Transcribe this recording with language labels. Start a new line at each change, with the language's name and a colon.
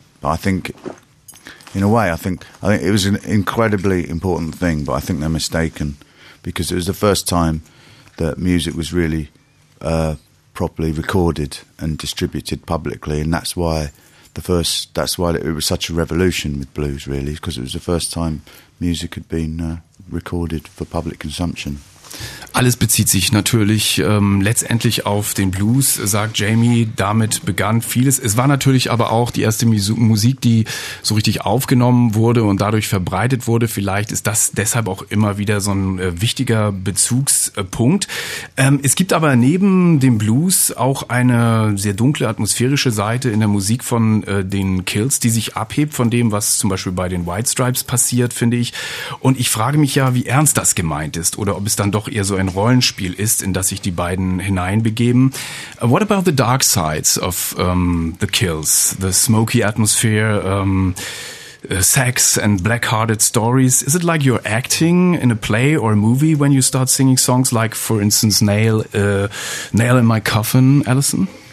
English: But I think, in a way, I think it was an incredibly important thing, but I think they're mistaken, because it was the first time that music was really properly recorded and distributed publicly, and that's why it was such a revolution with blues, really, because it was the first time music had been recorded for public consumption.
German: Alles bezieht sich natürlich letztendlich auf den Blues, sagt Jamie. Damit begann vieles. Es war natürlich aber auch die erste Musik, die so richtig aufgenommen wurde und dadurch verbreitet wurde. Vielleicht ist das deshalb auch immer wieder so ein wichtiger Bezugspunkt. Es gibt aber neben dem Blues auch eine sehr dunkle, atmosphärische Seite in der Musik von den Kills, die sich abhebt von dem, was zum Beispiel bei den White Stripes passiert, finde ich. Und ich frage mich ja, wie ernst das gemeint ist oder ob es dann doch eher so ein Rollenspiel ist, in das sich die beiden hineinbegeben.
English: What about the dark sides of the Kills? The smoky atmosphere, sex and black-hearted stories. Is it like you're acting in a play or a movie when you start singing songs like, for instance, Nail in My Coffin, Alison?